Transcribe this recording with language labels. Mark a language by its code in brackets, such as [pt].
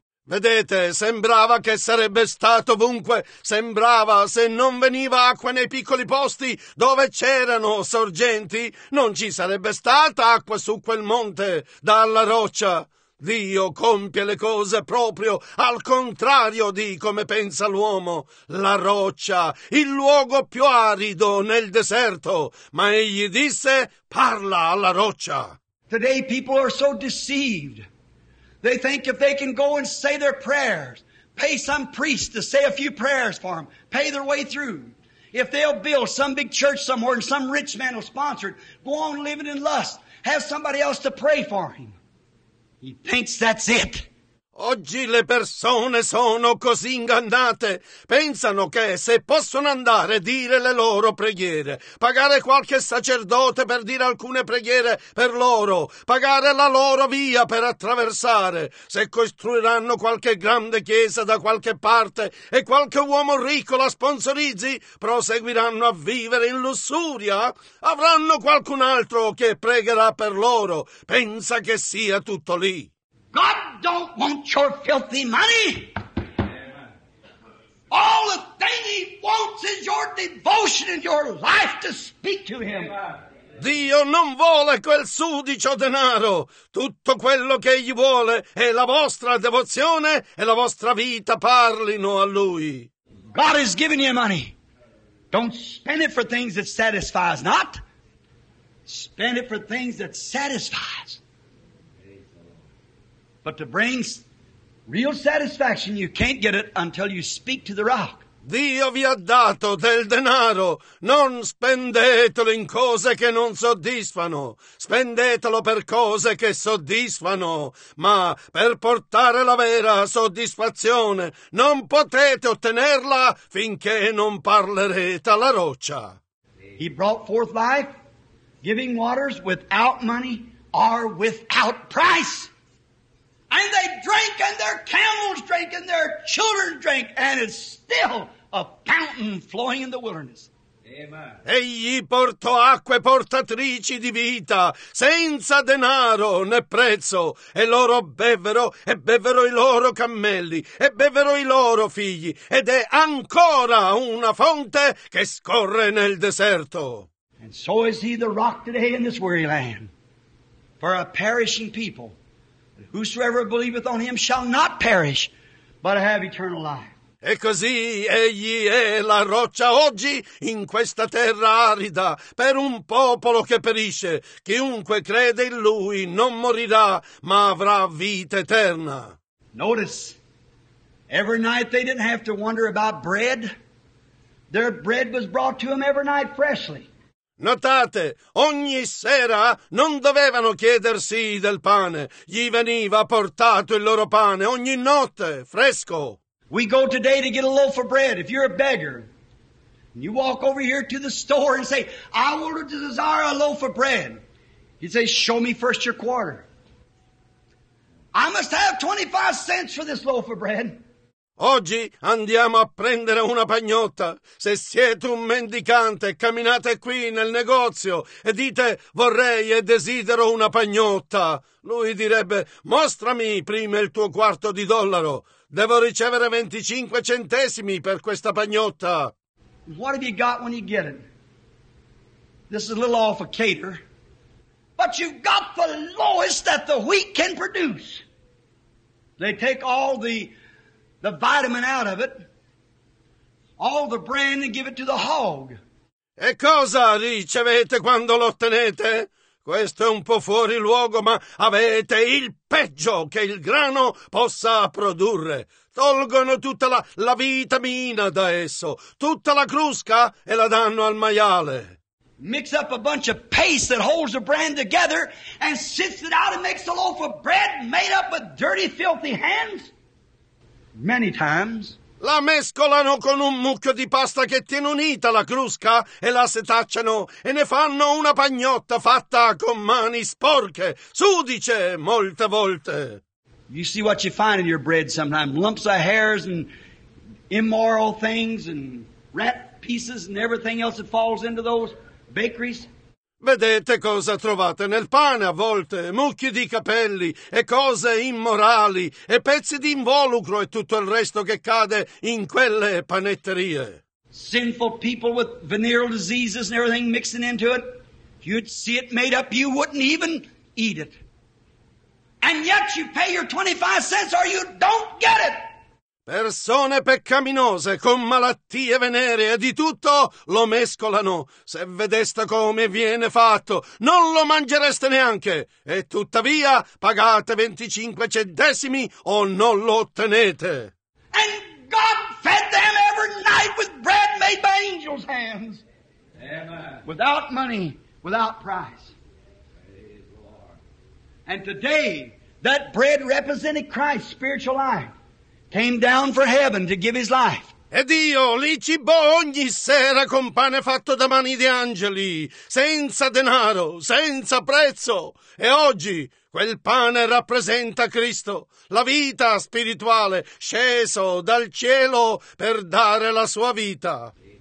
[it] Vedete, sembrava che sarebbe stato ovunque, sembrava se non veniva acqua nei piccoli posti dove c'erano sorgenti, non ci sarebbe stata acqua su quel monte dalla roccia. Dio compie le cose proprio al contrario di come pensa l'uomo. La roccia, il luogo più arido nel deserto, ma egli disse, parla alla roccia. [en] Today people are so deceived. They think if they can go and say their prayers, pay some priest to say a few prayers for them, pay their way through. If they'll build some big church somewhere and some rich man will sponsor it, go on living in lust, have somebody else to pray for him. He thinks that's it. [it] Oggi le persone sono così ingannate, pensano che se possono andare a dire le loro preghiere, pagare qualche sacerdote per dire alcune preghiere per loro, pagare la loro via per attraversare, se costruiranno qualche grande chiesa da qualche parte e qualche uomo ricco la sponsorizzi, proseguiranno a vivere in lussuria, avranno qualcun altro che pregherà per loro, pensa che sia tutto lì. [en] God don't want your filthy money. Amen. All the thing he wants is your devotion and your life to speak to him. Amen. [it] Dio non vuole quel sudicio denaro. Tutto quello che egli vuole è la vostra devozione e la vostra vita parlino a lui. [en] God has given you money. Don't spend it for things that satisfies not. Spend it for things that satisfies. But to bring real satisfaction, you can't get it until you speak to the rock. [it] Dio vi ha dato del denaro. Non spendetelo in cose che non soddisfano. Spendetelo per cose che soddisfano. Ma per portare la vera soddisfazione, non potete ottenerla finché non parlerete alla roccia. [en] He brought forth life, giving waters without money or without price. And they drank, and their camels drank, and their children drank, and it's still a fountain flowing in the wilderness. Amen. [it] Egli portò acque portatrici di vita, senza denaro né prezzo, e loro bevvero, e bevvero i loro cammelli, e bevvero i loro figli, ed è ancora una fonte che scorre nel deserto. [en] And so is he the rock today in this weary land, for a perishing people. Whosoever believeth on him shall not perish, but have eternal life. [it] E così egli è la roccia oggi in questa terra arida per un popolo che perisce. Chiunque crede in lui non morirà, ma avrà vita eterna. [en] Notice, every night they didn't have to wonder about bread. Their bread was brought to them every night freshly. [it] Notate, ogni sera non dovevano chiedersi del pane, gli veniva portato il loro pane ogni notte, fresco. [en] We go today to get a loaf of bread. If you're a beggar, and you walk over here to the store and say, I will desire a loaf of bread. He says, show me first your quarter. I must have 25 cents for this loaf of bread. [it] Oggi andiamo a prendere una pagnotta. Se siete un mendicante, camminate qui nel negozio e dite vorrei e desidero una pagnotta. Lui direbbe mostrami prima il tuo quarto di dollaro. Devo ricevere 25 centesimi per questa pagnotta. [en] What have you got when you get it? this is a little off of cater, but you've got the lowest that the wheat can produce. They take all the vitamin out of it, all the bran, and give it to the hog. [it] E cosa ricevete quando lo ottenete? Questo è un po' fuori luogo, ma avete il peggio che il grano possa produrre. Tolgono tutta la vitamina da esso, tutta la crusca, e la danno al maiale. [en] Mix up a bunch of paste that holds the bran together and sifts it out and makes a loaf of bread made up with dirty, filthy hands? Many times. [it] La mescolano con un mucchio di pasta che tiene unita la crusca e la setacciano e ne fanno una pagnotta fatta con mani sporche, sudice, molte volte. [en] You see what you find in your bread sometimes, lumps of hairs and immoral things and rat pieces and everything else that falls into those bakeries. [it] Vedete cosa trovate nel pane a volte, mucchi di capelli e cose immorali e pezzi di involucro e tutto il resto che cade in quelle panetterie. [en] Sinful people with venereal diseases and everything mixing into it. If you'd see it made up, you wouldn't even eat it. And yet you pay your 25 cents or you don't get it. [it] Persone peccaminose con malattie veneree di tutto lo mescolano. Se vedeste come viene fatto, non lo mangereste neanche. E tuttavia pagate 25 centesimi o non lo ottenete. [en] And God fed them every night with bread made by angels' hands. Amen. Without money, without price. And today, that bread represented Christ's spiritual life. Came down for heaven to give his life. [it] E Dio li cibò ogni sera con pane fatto da mani di angeli, senza denaro, senza prezzo. E oggi quel pane rappresenta Cristo, la vita spirituale, sceso dal cielo per dare la sua vita.